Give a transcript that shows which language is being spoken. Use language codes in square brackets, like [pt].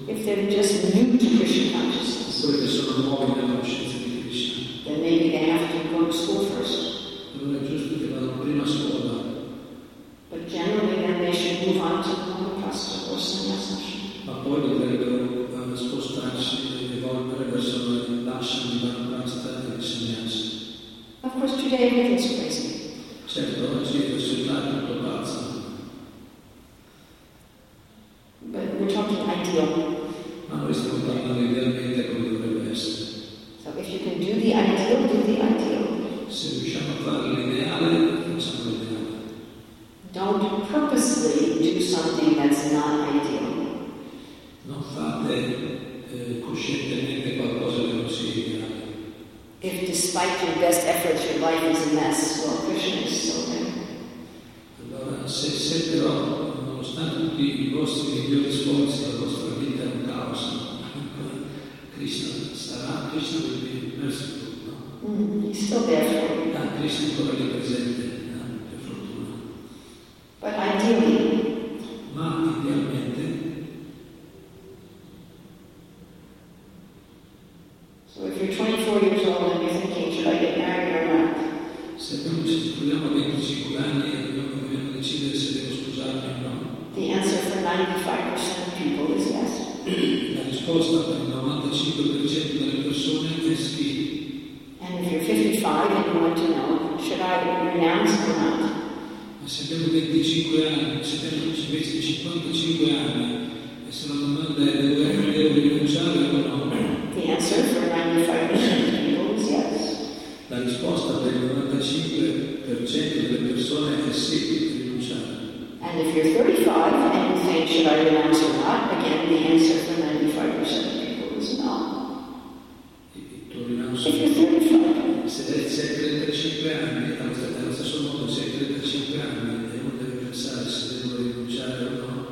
[en] they're just new to Krishna consciousness, [it] sono nuovi nella coscienza di Krishna, [en] then maybe they have to go to school first. [it] Allora è giusto che vadano prima a scuola. [en] But generally then they should move on to Kamaprastha or Sannyasa. [it] Ma poi dovrebbero spostarsi e evolvere verso l'ashram di Kamaprastha e di Sannyasa. [en] Of course today it is crazy. [it] Certo, oggi è questo il lato molto pazzo. [en] But we're talking ideal. [it] Ma noi stiamo parlando idealmente come dovrebbe essere. [en] So if you can do the ideal, do the ideal. [it] Se riusciamo a fare l'ideale, facciamo l'ideale. [en] Don't purposely do something that's not ideal. [it] Non fate coscientemente qualcosa che non sia ideale. [en] If despite your best efforts your life is a mess, well, Krishna is still there. [it] Allora, se però, nonostante tutti i vostri migliori sforzi, la vostra vita è un caos, Krishna sarà, Krishna vi viene verso tutto, no? Mm, ah, Krishna è ancora lì presente, per fortuna. [en] But ideally, [it] ma idealmente, [en] so if you're 24 years old and you're thinking, should I get married or not? [it] Se abbiamo, se abbiamo 25 anni e dobbiamo decidere se devo sposarmi o no. [en] The answer for 95% of people is yes. [it] La risposta per il 95% delle persone è sì. [en] And if you're 55 and you want to know, should I renounce or not? [it] Ma se abbiamo 25 anni, se abbiamo 55 anni, e se la domanda è dove devo rinunciare o no? [en] The answer for 95% of people is yes. [it] La risposta per il 95% delle persone è sì, rinunciare. [en] And if you're 35 and you think, should I renounce or not? Again, the answer for 95% of people is no. If you're 35. [it] Se 35 anni, allo stesso modo, se 35 anni, uno deve pensare se devo rinunciare o no.